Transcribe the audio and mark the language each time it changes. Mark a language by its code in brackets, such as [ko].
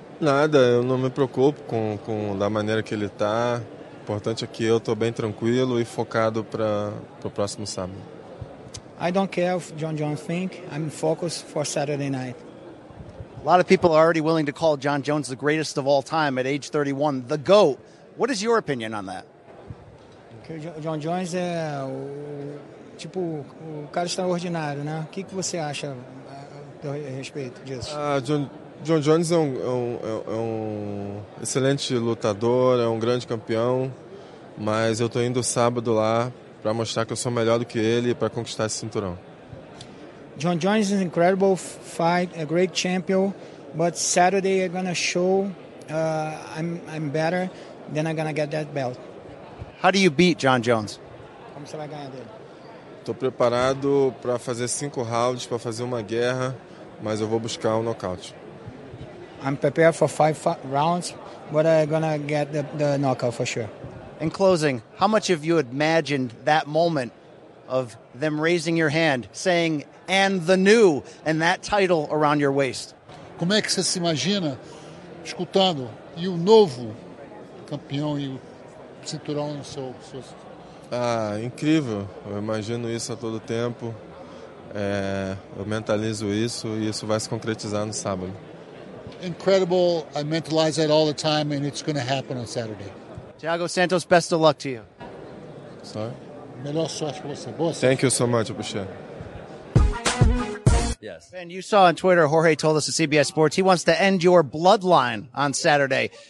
[pt] Nada, eu não me preocupo com da maneira que ele está. O importante é que eu estou bem tranquilo e focado para o próximo sábado. [en] I don't care if Jon Jones think. I'm focused for Saturday night. A lot of people are already willing to call Jon Jones the greatest of all time at age 31, the GOAT. What is your opinion on that? [pt] Jon Jones é tipo o cara extraordinário, né? O que você acha a respeito disso? Jon Jones é um excelente lutador, é um grande campeão, mas eu estou indo sábado lá para mostrar que eu sou melhor do que ele para conquistar esse cinturão. [en] Jon Jones is an incredible fight, a great champion, but Saturday I'm gonna show I'm better, then I'm gonna get that belt. How do you beat Jon Jones? [pt] Como você vai ganhar dele? Tô preparado para fazer 5 rounds, para fazer uma guerra, mas eu vou buscar um nocaute. [en] I'm prepared for 5 rounds, but I'm gonna get the knockout for sure. In closing, how much have you imagined that moment of them raising your hand, saying, and the new, and that title around your waist? [pt] Como é que você se imagina escutando, e o novo campeão e o cinturão no seu... Ah, incrível. Eu imagino isso a todo tempo. É, eu mentalizo isso e isso vai se concretizar no sábado. [en] Incredible. I mentalize that all the time and it's going to happen on Saturday. Thiago Santos, best of luck to you. Sorry? [pt] Melhor sorte para você. Boa sorte. [en] Thank you so much, Abushan. Yes. And you saw on Twitter, Jorge told us at CBS Sports he wants to end your bloodline on Saturday.